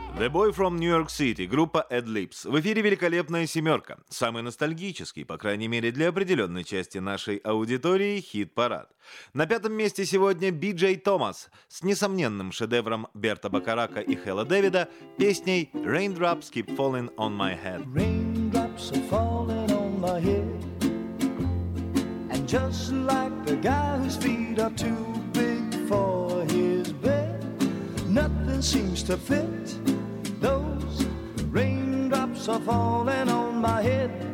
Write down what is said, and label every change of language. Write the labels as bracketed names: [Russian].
[Russian] Boy from New York City, группа Ad Libs. В эфире «Великолепная семерка». Самый ностальгический, по крайней мере, для определенной части нашей аудитории, хит-парад. На пятом месте сегодня Би-Джей Томас с несомненным шедевром Берта Бакарака и Хэла Дэвида песней «Raindrops keep falling on my head». [English] Raindrops are falling on my head. And just like the guy whose feet are too big for his bed. Nothing seems to fit. Those raindrops are falling on my head.